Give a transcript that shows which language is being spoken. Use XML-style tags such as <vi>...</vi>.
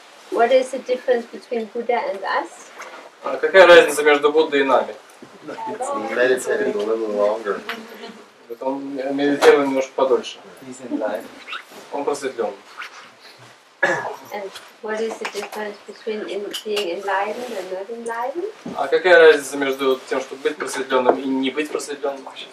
<en>What is the difference between Buddha and us?</en> <ru>Какая разница между Буддой и нами?</ru> <en>Meditating a little longer.</en> <ru>Он медитировал немножко подольше.</ru> <en>He's enlightened.</en> <ru>Он просветлен.</ru> <en>And what is the difference between being enlightened and not enlightened?</en> <ru>А какая разница между тем, чтобы быть просветленным и не быть просветленным?</ru>